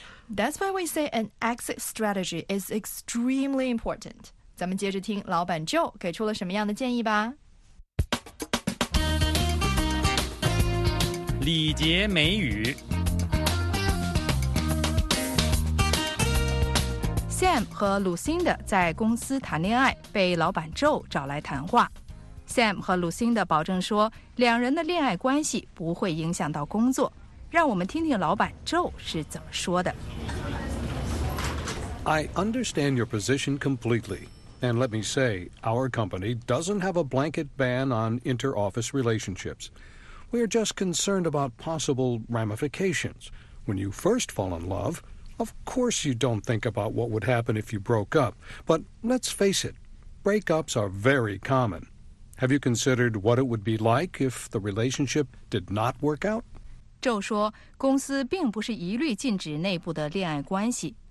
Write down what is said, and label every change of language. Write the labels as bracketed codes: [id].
[en] That's why we say an exit strategy is extremely important. [zh] 咱们接着听老板Joe给出了什么样的建议吧。李杰美语。 Sam 和 Lucinda 在公司谈恋爱，被老板 Joe 找来谈话。 Sam 和 Lucinda 保证说，两人的恋爱关系不会影响到工作。让我们听听老板 Joe 是怎么说的。 [en] I understand your position completely. And let me say, our company doesn't have a blanket ban on inter-office relationships. We are just concerned about possible ramifications. When you first fall in love, of course you don't think about what would happen if you broke up. But let's face it, breakups are very common. Have you considered what it would be like if the relationship did not work out? [zh] Joe 说，公司并不是一律禁止内部的恋爱关系。